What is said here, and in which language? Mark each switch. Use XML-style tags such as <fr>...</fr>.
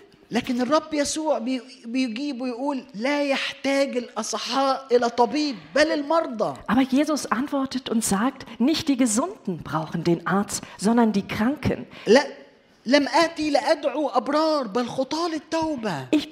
<ar>لكن الرب يسوع بيجيب ويقول لا يحتاج الأصحاء إلى طبيب بل المرضى.</ar> <de>Aber Jesus antwortet und sagt, nicht die Gesunden brauchen den Arzt, sondern die Kranken.</de> <ar>لا لم آتي لأدعو أبرار بل خطاة التوبة.</ar>